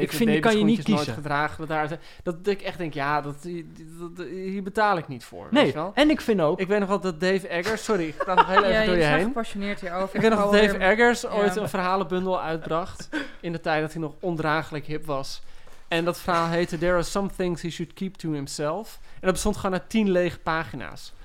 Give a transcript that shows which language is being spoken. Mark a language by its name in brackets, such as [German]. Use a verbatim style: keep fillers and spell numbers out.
[Dutch] Ik vind, kan je niet kiezen. Nooit gedragen, dat, dat ik echt denk, ja, dat, dat, dat, hier betaal ik niet voor. Nee, weet je wel? En ik vind ook... Ik weet nog wel dat Dave Eggers... Sorry, ik ga nog heel even ja, door je, je heen. Ja, gepassioneerd hierover. Ik weet nog dat Dave Eggers ooit ja. een verhalenbundel uitbracht... in de tijd dat hij nog ondraaglijk hip was... En dat verhaal heette [English] There are some things he should keep to himself. [Dutch] En dat bestond gewoon uit tien lege pagina's.